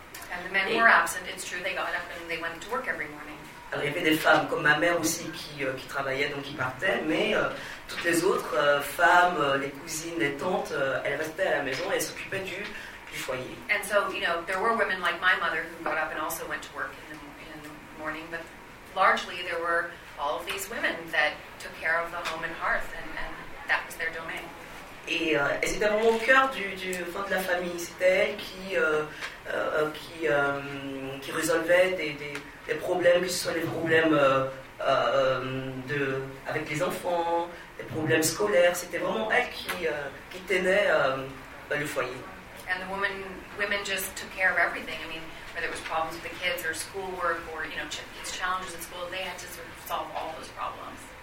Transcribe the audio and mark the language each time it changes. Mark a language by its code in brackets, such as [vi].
[en] And the men were absent, it's true, they got up and they went to work every morning. [fr] Alors, il y avait des femmes comme ma mère aussi qui travaillaient, donc qui partaient, mais toutes les autres femmes, les cousines, les tantes, elles restaient à la maison et elles s'occupaient du foyer. [en] And so, you know, there were women like my mother who got up and also went to work in the morning, but largely there were all of these women that took care of the home and hearth, and that was their domain. [fr] Et c'était vraiment au cœur enfin, de la famille. C'était elle qui résolvait des problèmes, que ce soit les problèmes avec les enfants, les problèmes scolaires. C'était vraiment elle qui tenait le foyer. [en] And the women just took care of everything. I mean, whether it was problems with the kids or schoolwork or, you know, kids' challenges at school, they had to sort of solve all those problems.